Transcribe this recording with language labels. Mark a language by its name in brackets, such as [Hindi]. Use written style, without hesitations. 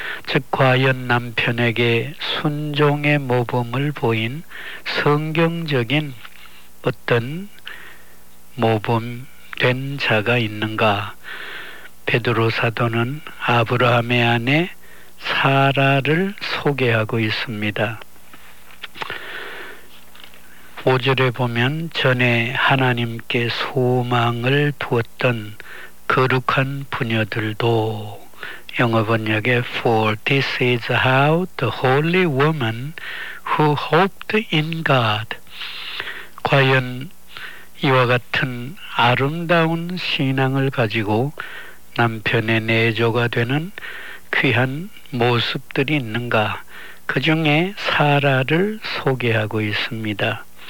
[Korean] 즉, 과연 남편에게 순종의 모범을 보인 성경적인 어떤 모범 된 자가 있는가? 베드로 사도는 아브라함의 아내 사라를 소개하고 있습니다. 5절에 보면 전에 하나님께 소망을 두었던 거룩한 부녀들도, 영어 번역에 [English] For this is how the holy woman who hoped in God. [Korean] 과연 이와 같은 아름다운 신앙을 가지고 남편의 내조가 되는 귀한 모습들이 있는가? 그 중에 사라를 소개하고 있습니다.